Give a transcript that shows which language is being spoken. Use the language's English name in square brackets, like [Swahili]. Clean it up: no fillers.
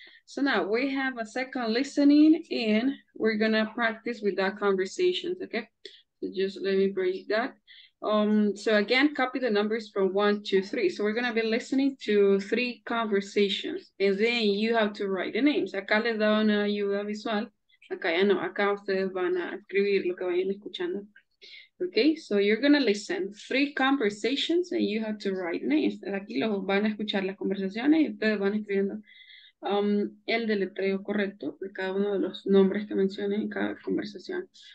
[English] So now we have a second listening and we're going to practice with that conversation, okay? So just let me break that. So again, copy the numbers from 1, 2, 3. So we're going to be listening to 3 conversations and then you have to write the names. [Spanish] Acá les da una ayuda visual. Acá ya no. Acá ustedes van a escribir lo que vayan escuchando. [English] Okay, so you're going to listen 3 conversations and you have to write names. [Spanish] Aquí los van a escuchar las conversaciones y ustedes van escribiendo el deletreo correcto de cada uno de los nombres que mencioné en cada conversación.